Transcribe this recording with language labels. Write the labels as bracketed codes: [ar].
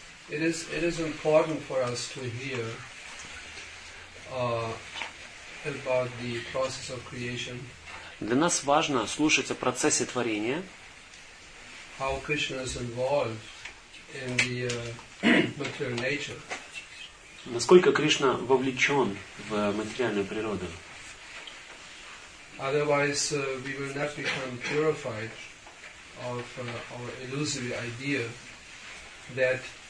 [en] It is important for us to hear about the process of creation. [ru] Для нас важно слушать о процессе творения. [en] How Krishna is involved in the material nature. [ru] Насколько Кришна вовлечен в материальную природу. [en] Otherwise, we will not become purified of our illusory idea that.